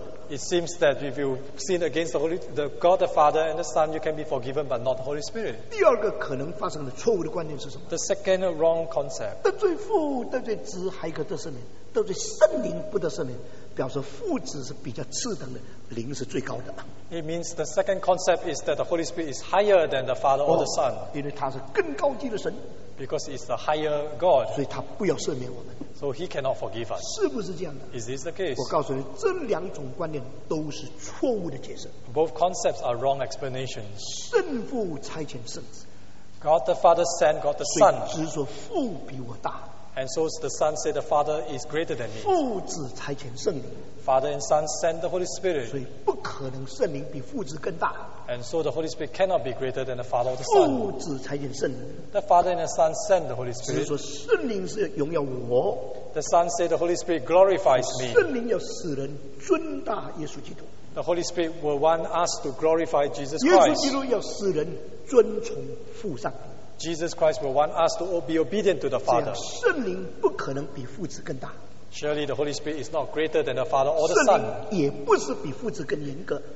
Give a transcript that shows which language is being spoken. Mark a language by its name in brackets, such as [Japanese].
[English] It seems that if you sin against the Holy, the God the Father and the Son, you can be forgiven, but not the Holy Spirit. The second wrong concept. [Chinese] 得罪父, 得罪子, 还可得赦免, 得罪圣灵不得赦免, 表示父子是比较次等的, 灵是最高的。 [English] It means the second concept is that the Holy Spirit is higher than the Father or the Son. [Chinese] 因为他是更高级的神。 [English] Because it's the higher God. [Chinese] 所以他不要赦免我们。 [English] So he cannot forgive us. [Chinese] 是不是这样的? [English] Is this the case? [Chinese] 我告诉你, 这两种观念都是错误的解释。 [English] Both concepts are wrong explanations. [Chinese] 圣父差遣圣子。 [English] God the Father sent God the Son. [Chinese] 所以只说父比我大。 [English] And so the Son said the Father is greater than me. [Chinese] 父子差遣圣灵。 [English] Father and Son sent the Holy Spirit. [Chinese] 所以不可能圣灵比父子更大。 [English] And so the Holy Spirit cannot be greater than the Father or the Son. [Chinese] 父子差遣圣灵。 [English] The Father and the Son sent the Holy Spirit. [Chinese] 只是说圣灵是荣耀我。 [English] The Son said the Holy Spirit glorifies me. [Chinese] 圣灵要使人尊大耶稣基督。 [English] The Holy Spirit will want us to glorify Jesus Christ. [Chinese] 耶稣基督要使人尊崇父上。 [English] Jesus Christ will want us to be obedient to the Father. [Chinese] 圣灵不可能比父子更大。 [English] Surely the Holy Spirit is not greater than the Father or the Son. [Chinese] 圣灵也不是比父子更严格。